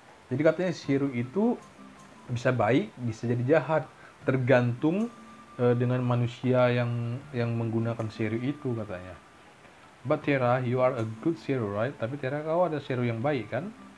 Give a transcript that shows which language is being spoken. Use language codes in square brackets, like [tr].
[id] Jadi katanya Zero itu bisa baik, bisa jadi jahat, tergantung dengan manusia yang menggunakan Zero itu katanya. [en] But Tera, you are a good Zero, right? [id] Tapi Tera, kau ada Zero yang baik kan?